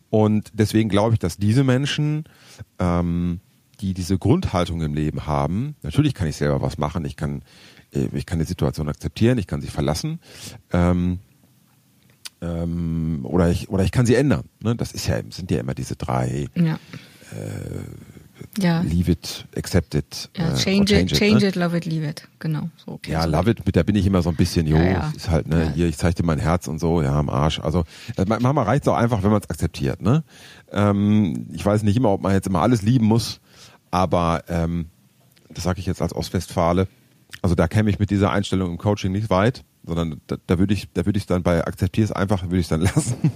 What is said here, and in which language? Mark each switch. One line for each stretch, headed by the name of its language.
German: Und deswegen glaube ich, dass diese Menschen, die diese Grundhaltung im Leben haben, natürlich kann ich selber was machen, ich kann die Situation akzeptieren, ich kann sie verlassen, oder ich kann sie ändern. Ne? Das ist ja, sind ja immer diese drei. Ja.
English: Leave it, accept it.
German: Ja,
English: change it, love it, leave it.
German: Genau. So, okay, ja, so love it, da bin ich immer so ein bisschen, ist halt, ne, hier, ich zeige dir mein Herz und so, ja, am Arsch. Also manchmal reicht es auch einfach, wenn man es akzeptiert. Ne? Ich weiß nicht immer, ob man jetzt immer alles lieben muss, aber das sage ich jetzt als Ostwestfale. Also da käme ich mit dieser Einstellung im Coaching nicht weit, sondern da würde ich dann bei akzeptier es einfach, würde ich es dann lassen.